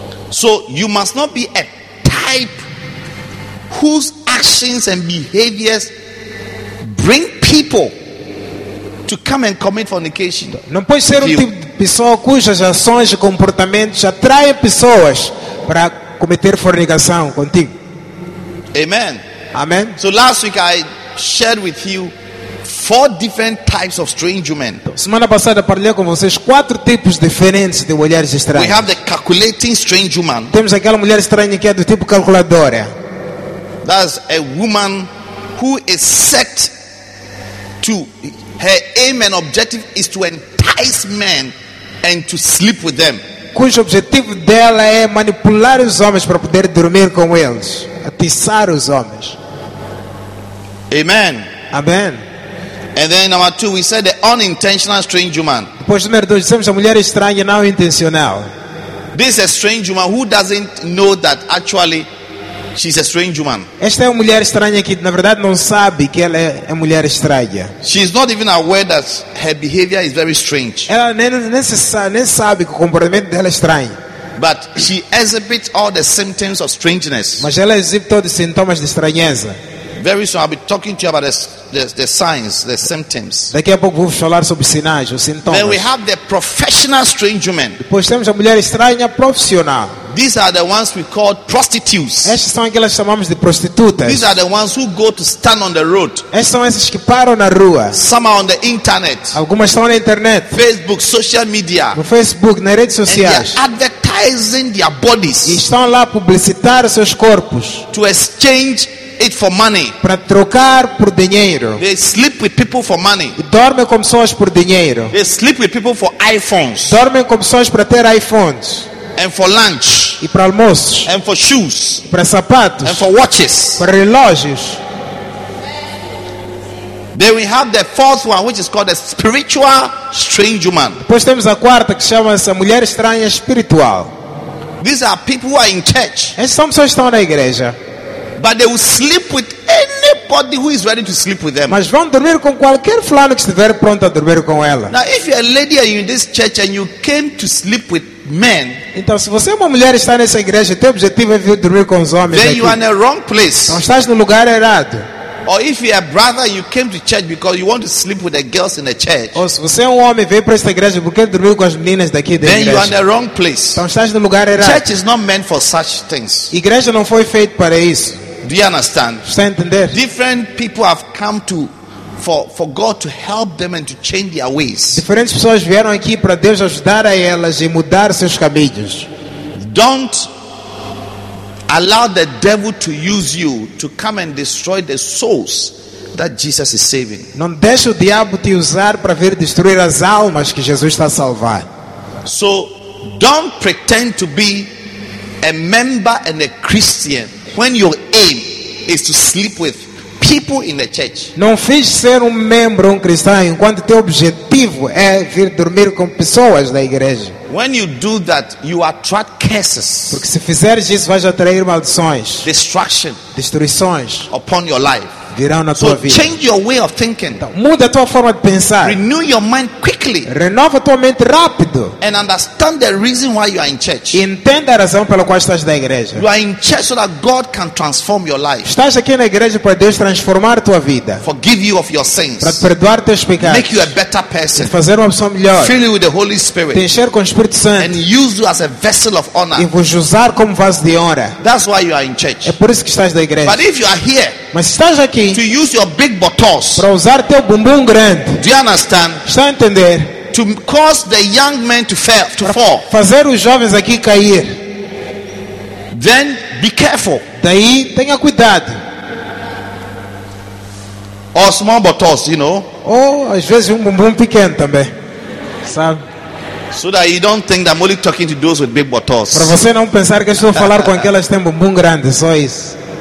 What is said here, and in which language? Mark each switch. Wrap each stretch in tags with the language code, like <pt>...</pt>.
<en>So you must not be a type whose actions and behaviors bring people to come and commit fornication.</en> <pt>Não pode ser um tipo de pessoa cujas ações e comportamentos atraem pessoas para cometer fornicação contigo.</pt> <en>Amen.</en> <pt>Amen.</pt> <en>So last week I shared with you 4 different types of strange women.</en> <pt>Semana passada partilhei com vocês 4 tipos diferentes de mulheres estranhas.</pt> <en>We have the calculating strange woman.</en> <pt>Temos aquela mulher estranha que é do tipo calculadora.</pt> <en>That's a woman who is set to her aim and objective is to entice men and to sleep with them.</en> <pt>Cujo objetivo dela é manipular os homens para poder dormir com eles, atiçar os homens.</pt> <en>Amen.</en> <pt>Amen.</pt> <en>And then number 2, we said the unintentional strange woman.</en> <pt>Depois número 2, dissemos a mulher estranha não intencional.</pt> <en>This is a strange woman who doesn't know that actually she's a strange woman.</en> <pt>Esta é uma mulher estranha que na verdade não sabe que ela é mulher estranha.</pt> <en>She's not even aware that her behavior is very strange.</en> <pt>Ela nem sabe que o comportamento dela é estranho.</pt> <en>But she exhibits all the symptoms of strangeness.</en> <pt>Mas ela exibe todos os sintomas de estranheza.</pt> <en>Very soon I'll be talking to you about the signs, the symptoms.</en> <pt>Daqui a pouco vou falar sobre sinais, os sintomas.</pt> <en>Then we have the professional strange women.</en> <pt>Depois temos a mulher estranha profissional.</pt> <en>These are the ones we call prostitutes.</en> <pt>Essas são aquelas que chamamos de prostitutas.</pt> <en>These are the ones who go to stand on the road.</en> <pt>Essas são essas que param na rua.</pt> <en>Some are on the internet.</en> <pt>Algumas estão na internet.</pt> <en>Facebook, social media.</en> <pt>No Facebook, nas redes sociais.</pt> <en>And they are advertising their bodies.</en> <pt>E estão lá a publicitar seus corpos.</pt> <en>To exchange it for money.</en> <pt>Para trocar por dinheiro.</pt> <en>They sleep with people for money.</en> <pt>E dormem com pessoas por dinheiro.</pt> <en>They sleep with people for iPhones.</en> <pt>Dormem com pessoas para ter iPhones.</pt> <en>And for lunch.</en> <pt>E para almoço.</pt> <en>And for shoes.</en> <pt>E para sapatos.</pt> <en>And for watches.</en> <pt>Para relógios.</pt> <en>Then we have the fourth one, which is called a spiritual strange woman.</en> <pt>Depois temos a quarta, que chama-se a mulher estranha espiritual.</pt> <en>These are people who are in church.</en> <pt>Essas são pessoas que estão na igreja.</pt> <en>But they will sleep with anybody who is ready to sleep with them.</en> <pt>Mas vão dormir com qualquer fulano que estiver pronto a dormir com ela.</pt> <en>Now, if you're a lady and you're in this church and you came to sleep with men,</en> <pt>então, se você é uma mulher e está nessa igreja, teu objetivo é vir dormir com os homens.</pt> <en>Then you are in the wrong place.</en> <pt>Então, estás no lugar errado.</pt> <en>Or if you're a brother, you came to church because you want to sleep with the girls in the church.</en> <pt>Ou se você é um homem, veio para esta igreja porque quer dormir com as meninas daqui da igreja.</pt> <en>Then you are in the wrong place.</en> <pt>Então, estás no lugar errado.</pt> <en>Church is not meant for such things.</en> <pt>Igreja não foi feita para isso.</pt> <en>Do you understand?</en> <pt>Está a entender?</pt> <en>Different people have come to for God to help them and to change their ways.</en> <pt>Diferentes pessoas vieram aqui para Deus ajudar a elas e mudar seus caminhos.</pt> <en>Don't allow the devil to use you to come and destroy the souls that Jesus is saving.</en> <pt>Não deixe o diabo te usar para vir destruir as almas que Jesus está a salvar.</pt> <en>So don't pretend to be a member and a Christian when your aim is to sleep with people in the church.</en> <pt>Não finge ser um membro, um cristão, enquanto teu objetivo é vir dormir com pessoas na igreja.</pt> <en>When you do that, you attract curses.</en> <pt>Porque se fizeres isso, vais atrair maldições.</pt> <en>Destruction.</en> <pt>Destruições.</pt> <en>Upon your life.</en> <pt>Virão na</pt> <en>so</en> <pt>tua vida.</pt> <en>Change your way of thinking.</en> <pt>Então, muda a tua forma de pensar.</pt> <en>Renew your mind quickly.</en> <pt>Renova a tua mente rápido.</pt> <en>And understand the reason why you are in church.</en> <pt>Entenda a razão pela qual estás na igreja.</pt> <en>You are in church so that God can transform your life.</en> <pt>Estás aqui na igreja para Deus transformar a tua vida.</pt> <en>Forgive you of your sins.</en> <pt>Para perdoar teus pecados.</pt> <en>Make you a better person.</en> <pt>E fazer uma pessoa melhor.</pt> <en>Fill you with the Holy Spirit.</en> <pt>Te encher com o Espírito Santo.</pt> <en>And use you as a vessel of honor.</en> <pt>E vos usar como vaso de honra.</pt> <en>That's why you are in church.</en> <pt>É por isso que estás na igreja.</pt> <en>But if you are here,</en> <pt>mas estás aqui</pt> <en>to use your big buttocks,</en> <pt>para usar teu bumbum grande.</pt> <en>Do you understand?</en> <pt>Está a entender?</pt> <en>To cause the young men to fail, to fall.</en> <pt>Fazer os jovens aqui cair.</pt> <en>Then be careful.</en> <pt>Daí tenha cuidado.</pt> <en>Or small buttocks, you know.</en> <pt>Ou às vezes bumbum pequeno também, sabe?</pt> <en>So that you don't think that I'm only talking to those with big buttocks.</en> <pt>Para você não pensar que estou a falar com aquelas que têm bumbum grande, só isso.</pt>